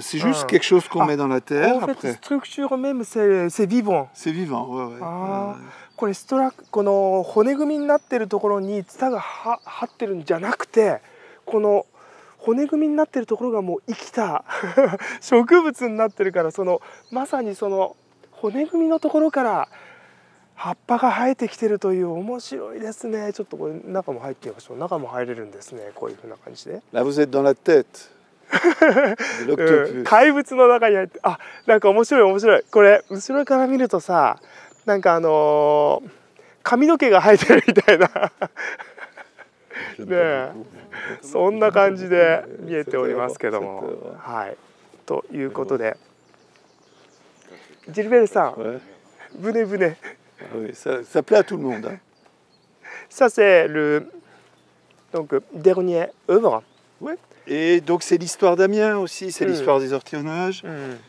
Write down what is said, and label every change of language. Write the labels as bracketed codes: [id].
[fr] C'est juste quelque chose qu'on met dans la terre en fait, après. La structure même, c'est vivant. C'est vivant, ouais, ouais. Ah. [ja] これストラック、この骨組みになってるところにツタが張ってるんじゃなくて、この骨組みになってるところがもう生きた植物になってるから、そのまさにその骨組みのところから葉っぱが生えてきてるという、面白いですね。ちょっとこれ中も入ってみましょう。中も入れるんですね、こういう風な感じで。 [fr] Là, vous êtes dans la tête. [ja] 怪物の中に入って、あ、なんか面白い面白い。これ後ろから見るとさ、なんか髪の毛が生えてるみたいなねえ、そんな感じで見えておりますけども、はい、ということでジルベールさん、ブネブネ、 [fr] ça plaît à tout le monde. Ça c'est le donc dernier œuvre. Oui. Et donc c'est l'histoire d'Amiens aussi, c'est l'histoire des Hortillophones.